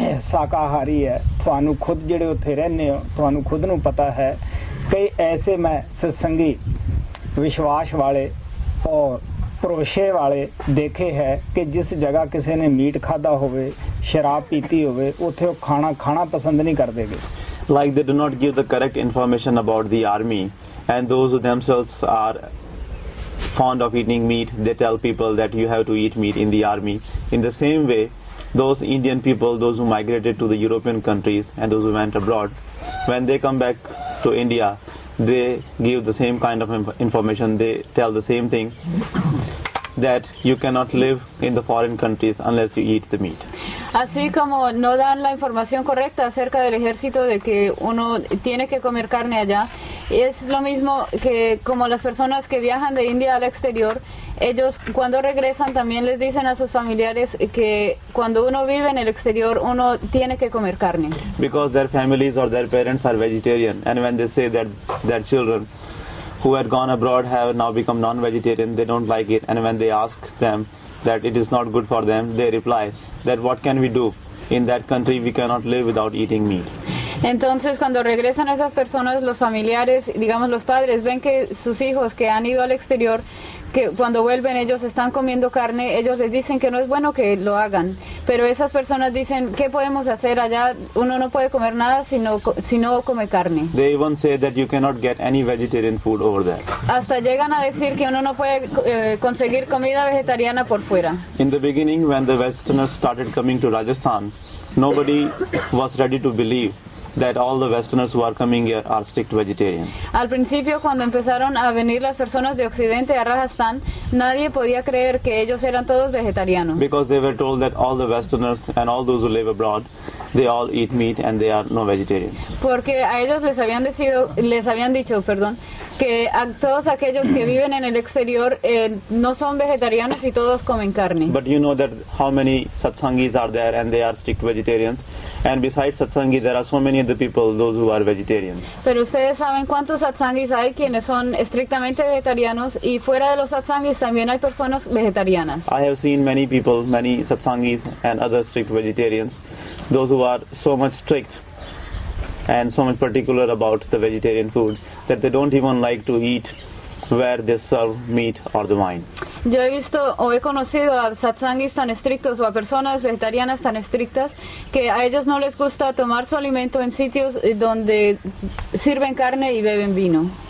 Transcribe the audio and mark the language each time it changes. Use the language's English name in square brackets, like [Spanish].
[Punjabi] ਸ਼ਾਕਾਹਾਰੀ ਹੈ ਤੁਹਾਨੂੰ ਖੁਦ ਜਿਹੜੇ ਉੱਥੇ ਰਹਿੰਦੇ ਹੋ ਤੁਹਾਨੂੰ ਖੁਦ ਨੂੰ ਪਤਾ ਹੈ ਕਈ ਐਸੇ ਮੈਂ ਸਤਸੰਗੀ ਵਿਸ਼ਵਾਸ ਵਾਲੇ ਔਰ ਭਰੋਸੇ ਵਾਲੇ ਦੇਖੇ ਹੈ ਕਿ ਜਿਸ ਜਗ੍ਹਾ ਕਿਸੇ ਨੇ ਮੀਟ ਖਾਧਾ ਹੋਵੇ ਸ਼ਰਾਬ ਪੀਤੀ ਹੋਵੇ ਉੱਥੇ ਉਹ ਖਾਣਾ ਪਸੰਦ ਨਹੀਂ ਕਰਦੇਗੇ [English] Like they do not give the correct information about the army and those who themselves are fond of eating meat, they tell people that you have to eat meat in the army. In the same way, those Indian people, those who migrated to the European countries and those who went abroad, when they come back to India, they give the same kind of information, they tell the same thing. That you cannot live in the foreign countries unless you eat the meat. [Spanish] Así como no dan la información correcta acerca del ejército de que uno tiene que comer carne allá, es lo mismo que como las personas que viajan de India al exterior, ellos cuando regresan también les dicen a sus familiares que cuando uno vive en el exterior uno tiene que comer carne. [English] Because their families or their parents are vegetarian and when they say that their children who had gone abroad have now become non-vegetarian, they don't like it. And when they ask them that it is not good for them, they reply that what can we do? In that country, we cannot live without eating meat. [Spanish] Entonces, cuando regresan esas personas, los familiares, digamos los padres, ven que sus hijos que han ido al exterior, que cuando vuelven ellos están comiendo carne, ellos les dicen que no es bueno que lo hagan. Pero esas personas dicen, ¿qué podemos hacer allá? Uno no puede comer nada si no come carne. [English] They even say that you cannot get any vegetarian food over there. [Spanish] Hasta llegan a decir que uno no puede conseguir comida vegetariana por fuera. [English] In the beginning, when the Westerners started coming to Rajasthan, nobody was ready to believe that all the Westerners who are coming here are strict vegetarians. [Spanish] Al principio, cuando empezaron a venir las personas de Occidente a Rajasthan, nadie podía creer que ellos eran todos vegetarianos. [English] Because they were told that all the Westerners and all those who live abroad, they all eat meat and they are no vegetarians. [Spanish] Porque a ellos les habían dicho, que a todos aquellos que viven en el exterior no son vegetarianos y todos comen carne. [English] But you know that how many satsangis are there and they are strict vegetarians. And besides satsangi, there are so many other people, those who are vegetarians. [Spanish] Pero ustedes saben cuántos satsangis hay quienes son estrictamente vegetarianos y fuera de los satsangis también hay personas vegetarianas. [English] I have seen many people, many satsangis and other strict vegetarians, those who are so much strict and so much particular about the vegetarian food that they don't even like to eat where they serve meat or the wine. [Spanish] Yo he visto o he conocido a satsangis tan estrictos o a personas vegetarianas tan estrictas que a ellos no les gusta tomar su alimento en sitios donde sirven carne y beben vino.